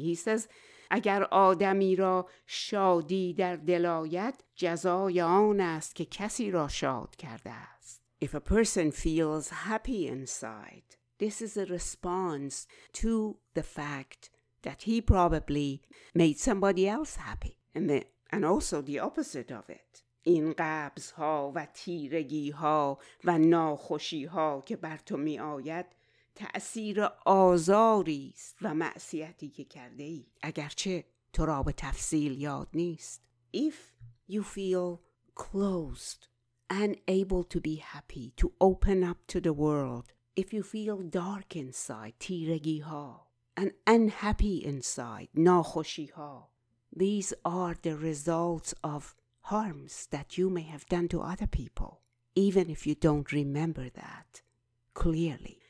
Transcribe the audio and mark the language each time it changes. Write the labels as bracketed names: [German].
[English] He says, [Persian] اگر آدمی را شادی در دل آید جزای آن است که کسی را شاد کرده است. [English] If a person feels happy inside, this is a response to the fact that he probably made somebody else happy. And also the opposite of it. [Persian] این قبض ها و تیرگی ها و ناخوشی ها که بر تو می آید تأثیر آزاری است و معصیتی که کرده ای اگرچه تو را به تفصیل یاد نیست. [English] If you feel closed, unable to be happy, to open up to the world, if you feel dark inside, [Persian] تیرگی ها, [English] and unhappy inside, [Persian] ناخوشی ها, [English] these are the results of harms that you may have done to other people, even if you don't remember that clearly.